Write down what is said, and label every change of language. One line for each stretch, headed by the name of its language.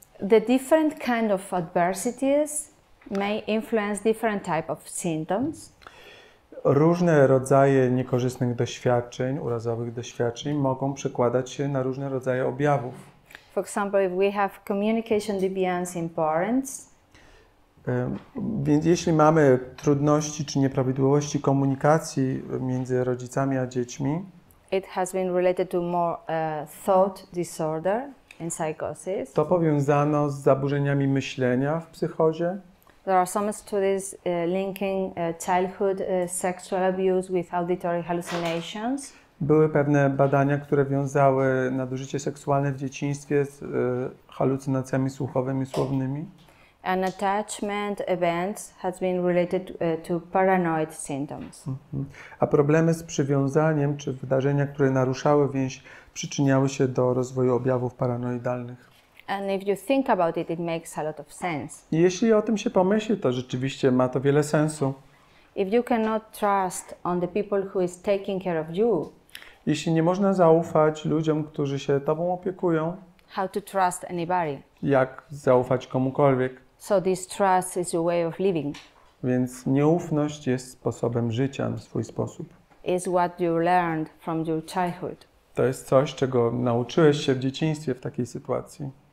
English: The different kind of adversities may influence different type of symptoms.
Polish: Różne rodzaje niekorzystnych doświadczeń, urazowych doświadczeń mogą przekładać się na różne rodzaje objawów.
English: For example, if we have communication deviance in parents.
Polish: Więc jeśli mamy trudności czy nieprawidłowości komunikacji między rodzicami a dziećmi,
English: it has been related to more thought disorder in psychosis.
Polish: To powiązano z zaburzeniami myślenia w psychozie.
English: There are some studies linking childhood sexual abuse with auditory hallucinations.
Polish: Były pewne badania, które wiązały nadużycie seksualne w dzieciństwie z halucynacjami słuchowymi, słownymi.
English: An attachment events has been related to paranoid symptoms.
Polish: A problemy z przywiązaniem czy wydarzenia, które naruszały więź, przyczyniały się do rozwoju objawów paranoidalnych.
English: And if you think about it, it makes a lot of sense.
Polish: Jeśli o tym się pomyśli, to rzeczywiście ma to wiele sensu.
English: If you cannot trust on the people who is taking care of you.
Polish: Jeśli nie można zaufać ludziom, którzy się tobą opiekują.
English: How to trust anybody?
Polish: Jak zaufać komukolwiek?
English: So this trust is a way of living.
Polish: Więc nieufność jest sposobem życia w swój sposób.
English: Is what you learned from your childhood.
Polish: To jest coś, czego nauczyłeś się w dzieciństwie w takiej sytuacji.